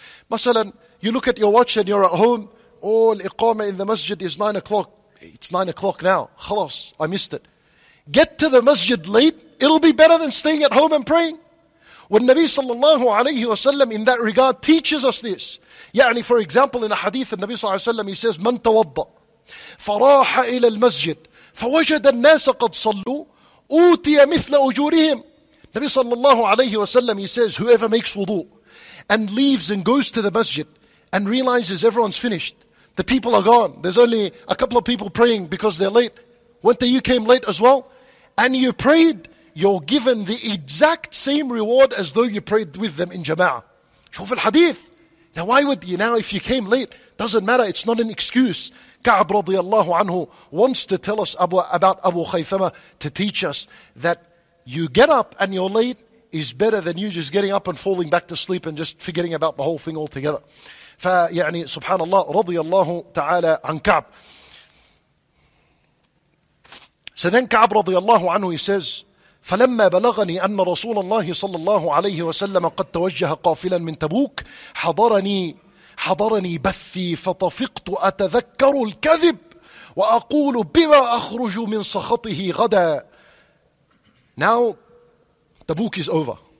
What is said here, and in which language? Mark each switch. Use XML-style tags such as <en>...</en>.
<en>Masalan, you look at your watch and you're at home. Oh, al-iqama in the masjid is 9 o'clock. It's 9 o'clock now. Khalas, I missed it. Get to the masjid late. It'll be better than staying at home and praying. والنبي صلى الله عليه وسلم in that regard teaches us this.</en> <ar>يعني</ar> <en>for example in a hadith the Nabi صلى الله عليه وسلم he says</en> <ar>من توضأ فراح إلى المسجد فوجد الناس قد صلوا أوتي مثل أجورهم.</ar> <en>Nabi صلى الله عليه وسلم he says whoever makes wudu and leaves and goes to the masjid and realizes everyone's finished, the people are gone, there's only a couple of people praying because they're late, weren't they, you came late as well, and you prayed, you're given the exact same reward as though you prayed with them in jama'ah.</en> <ar>شوف الحديث.</ar> <en>Now why would you, now if you came late, doesn't matter, it's not an excuse. Ka'ab radiallahu anhu wants to tell us about Abu Khaythama to teach us that you get up and you're late is better than you just getting up and falling back to sleep and just forgetting about the whole thing altogether.</en> <ar>فيعني سبحان الله رضي الله تعالى عن كعب.</ar> <en>So then</en> <ar>كعب رضي الله عنه</ar> <en>he says</en> <ar>فلما بلغني أن رسول الله صلى الله عليه وسلم قد توجه قافلا من تبوك حضرني بثي فطفقت أتذكر الكذب وأقول بما أخرج من سخطه غدا.</ar> <en>Now Tabuk is over.</en>